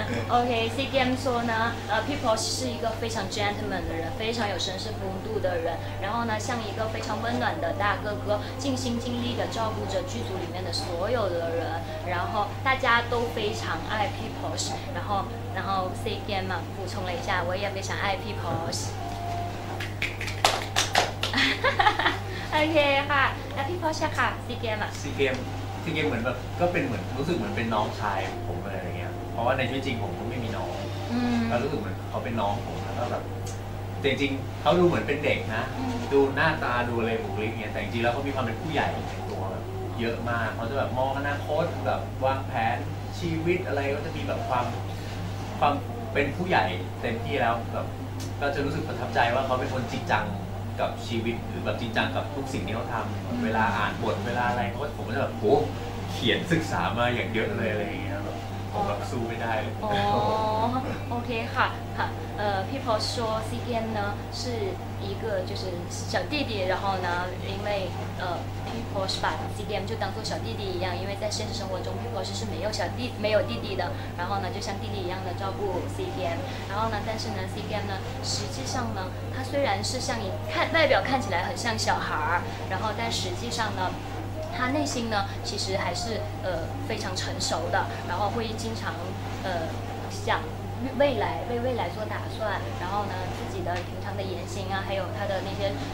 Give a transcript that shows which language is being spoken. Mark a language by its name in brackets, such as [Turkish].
[Chinese] โอเค SEA Games 说呢people 是一个非常 gentleman 的人非常有绅士风度的人然后呢像一个非常温暖的大哥哥尽心尽力的照顾着剧组里面的所有的人然后大家都非常爱 people 然后 SEA Games 嘛补充了一下我也非常爱 people OK 哈那 people 下卡 SEA Games 嘛 [Thai] SEA Games SEA Games เหมือนแบบก็เป็นเหมือนรู้สึกเหมือนเป็นน้องชายผมอะไรอย่างเงี้ยเพราะว่าในชีวิตจริงผมก็ไม่มีน้องก็รู้สึกเหมือนเขาเป็นน้องผมแล้วแบบจริงๆเขาดูเหมือนเป็นเด็กนะดูหน้าตาดูอะไรบุคลิกเนี่ยแต่จริงๆแล้วเขามีความเป็นผู้ใหญ่ในตัวแบบเยอะมากเขาจะแบบมองอนาคตแบบวางแผนชีวิตอะไรก็จะมีแบบควา มเป็นผู้ใหญ่เต็มที่แล้วแบบก็จะรู้สึกประทับใจว่าเขาเป็นคนจริงจังกับชีวิตหรือแบบจริงจังกับทุกสิ่งที่เขาทำเวลาอ่านบทเวลาอะไรเขาผมก็จะแบบโหเขียนศึกษามาอย่างเยอะเลยอะไรอย่างเงี้ย ผมแบบสู้ไม่ได้โอ้โอเคค่ะค่ะ [Chinese] People 说 CG 呢是一个就是小弟弟然后呢因为 People 是把 CG 就当作小弟弟一样因为在现实生活中 People 是没有弟弟的然后呢就像弟弟一样的照顾 CG 然后呢但是呢 CG 呢实际上呢他虽然是像你看外表看起来很像小孩然后但实际上呢他内心呢其实还是非常成熟的然后会经常想未来为未来做打算然后呢自己的平常的言行啊还有他的那些